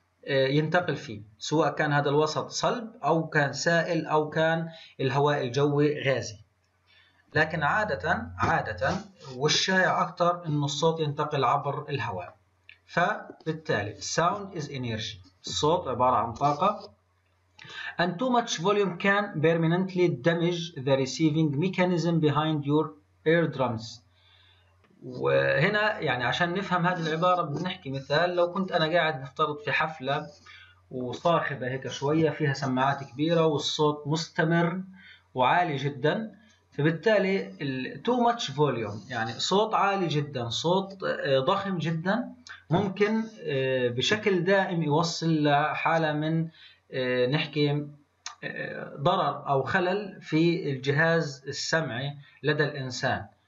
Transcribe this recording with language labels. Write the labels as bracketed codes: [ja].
[ar] ينتقل فيه، سواء كان هذا الوسط صلب أو كان سائل أو كان الهواء الجوي غازي. لكن عادة والشائع أكثر أن الصوت ينتقل عبر الهواء. فبالتالي [en] sound is energy، [ar] الصوت عبارة عن طاقة. [en] And too much volume can permanently damage the receiving mechanism behind your eardrums. [ar] وهنا يعني عشان نفهم هذه العبارة بنحكي مثال. لو كنت أنا قاعد نفترض في حفلة وصاخبة هيك شوية فيها سماعات كبيرة والصوت مستمر وعالي جدا، فبالتالي [en] too much volume [ar] يعني صوت عالي جدا، صوت ضخم جدا، ممكن بشكل دائم يوصل لحالة من نحكي ضرر أو خلل في الجهاز السمعي لدى الإنسان.